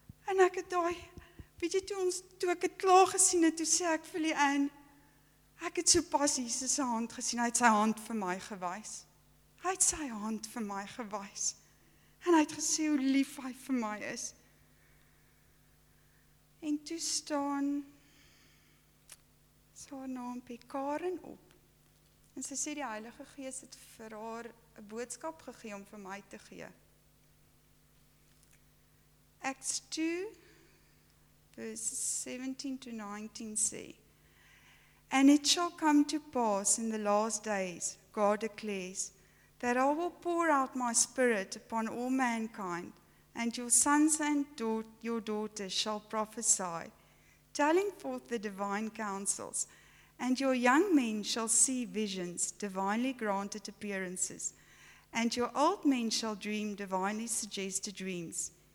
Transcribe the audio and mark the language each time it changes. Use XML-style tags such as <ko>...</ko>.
<af>En ek het daai, weet jy, toe ek het klaar gesien het, toe sê ek vir die een, ek het so pas Jesus sy hand gesien, hy het sy hand vir my gewys. Hy het sy hand vir my gewys. En hy het gesê hoe lief hy vir my is. En toe staan haar naampie Karen op. En sy sê die Heilige Gees het vir haar een boodskap gegee om vir my te gee.</af> <en>Acts 2 vers 17 to 19 sê, and it shall come to pass in the last days, God declares, that I will pour out my spirit upon all mankind, and your sons and your daughters shall prophesy, telling forth the divine counsels, and your young men shall see visions, divinely granted appearances, and your old men shall dream divinely suggested dreams.</en>